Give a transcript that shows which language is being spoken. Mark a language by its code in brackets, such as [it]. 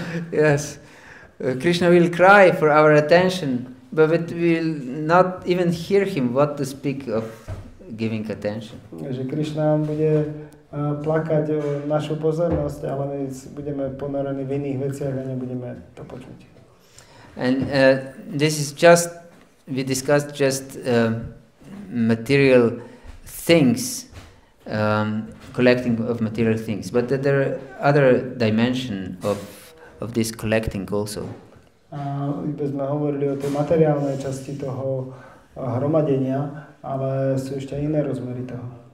[en] Yes. Krishna will cry for our attention, but we will not even hear him what to speak of giving attention. [sk] Že Krishna bude plakať o našu pozornosť, ale my budeme ponorení v iných veciach a nebudeme to počuť. [en] And this is just, we discussed just material things, collecting of material things, but that there are other dimension of this collecting also. [sk] Iba sme hovorili o tej materiálnej časti toho hromadenia, ale sú ešte iné rozmery toho.